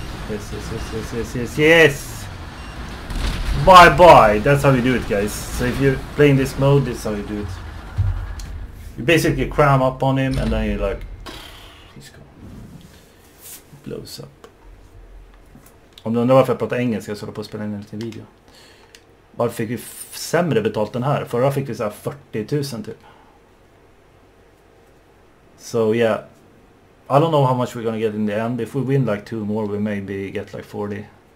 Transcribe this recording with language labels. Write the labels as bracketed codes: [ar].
[en] Yes, yes, yes, yes, yes, yes, yes! Bye bye! That's how you do it guys. So if you're playing this mode, this is how you do it. You basically cram up on him and then you're like, he's gone. He blows up. [sv] Om du undrar varför jag pratar engelska så håller jag på att spela in en liten video. Varför fick vi sämre betalt den här? Förra fick vi så här 40 000 typ. [en] So yeah. I don't know how much we're gonna get in the end. If we win like 2 more we maybe get like 40.